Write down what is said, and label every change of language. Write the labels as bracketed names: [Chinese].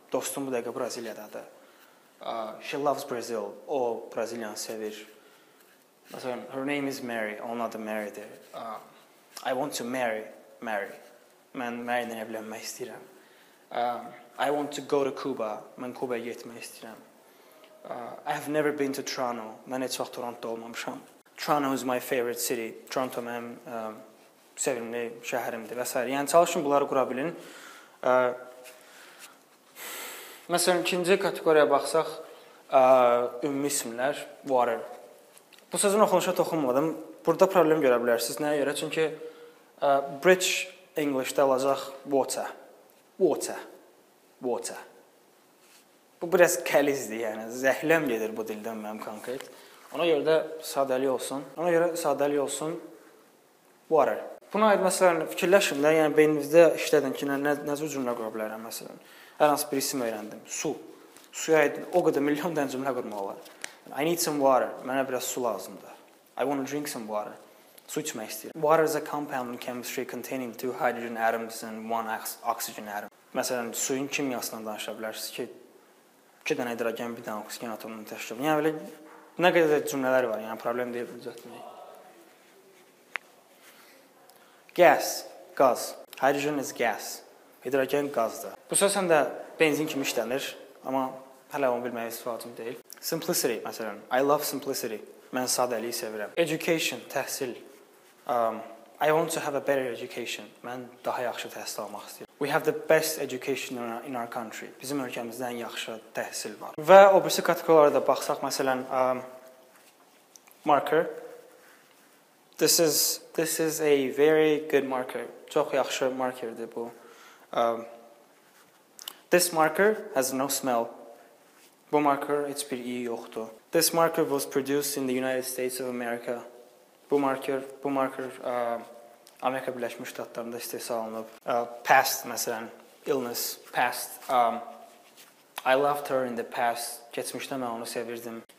[Azerbaijani] Dostum bu dəqiqə Braziliyadadır. [English] She loves Brazil. [Azerbaijani] O, Braziliyanı sevir. Məsələn, [English] her name is Mary. [Azerbaijani] Onun adı Mary-dir. [English] I want to marry Mary. [Azerbaijani] Mən Mary-dən evlənmək istəyirəm. [English] I want to go to Cuba. [Azerbaijani] Mən Kuba-ya getmək istəyirəm. [English] I have never been to Toronto. [Azerbaijani] Mən heç vaxt Toronto olmamışam. [English] Toronto is my favorite city. [Azerbaijani] Toronto mənim sevimli şəhərimdir və s. Yəni, çalışın, bunları qura bilin. Məsələn, ikinci kateqoriyaya baxsaq, ümumi isimlər, water. Bu sözün oxunuşa toxunmadım. Burada problem görə bilərsiniz. Nəyə görə? Çünki British English-də olacaq water. Water. Water. Bu, biraz kəlizdir, yəni. Zəhləm gedir bu dildən mənim konkret. Ona görə də sadəli olsun. Ona görə sadəli olsun water. Buna aid, məsələn, fikirləşin də, yəni, beyninizdə işlədin ki, nə cümlə qura bilərəm, məsələn. Hər hansı bir isim öyrəndim. Su. Suya aid, o qədər milyon dənə cümlə qurmaq var. [English] I need some water. [Azerbaijani] Mənə biraz su lazımdır. [English] I want to drink some water. [Azerbaijani] Su içmək istəyirəm. [English] Water is a compound in chemistry containing 2 hydrogen atoms and 1 oxygen atom. [Azerbaijani] Məsələn, suyun kimyasından danışa bilərsiniz ki, 2 dənə hidrogen, 1 dənə oksigen atomunu təşkil edir. Yəni, belə nə qədər cümlələr var, yəni problem deyil düzətmək. [English] Gas, qaz. Hydrogen is gas. [Azerbaijani] Hidrogen qazdır. Bu söz həm də benzin kimi işlənir, amma hələ onu bilmək istifadım deyil. [English] Simplicity, məsələn. I love simplicity. [Azerbaijani] Mən sadəliyi sevirəm. Education, təhsil. [English] I want to have a better education. [Azerbaijani] Mən daha yaxşı təhsil almaq istəyirəm. [English] We have the best education in our country. [Azerbaijani] Bizim ölkəmizdə ən yaxşı təhsil var. Və o birisi kateqoriyalara da baxsaq, məsələn, marker. [English] This is a very good marker. [Azerbaijani] Çox yaxşı markerdir bu. [English] This marker has no smell. [Azerbaijani] Bu marker heç bir iyi yoxdur. [English] This marker was produced in the United States of America. [Azerbaijani] Bu marker Amerika Birləşmiş Ştatlarında istehsal olunub. [English] Past, məsələn, illness, past. I loved her in the past. [Azerbaijani] Keçmişdə mən onu sevirdim.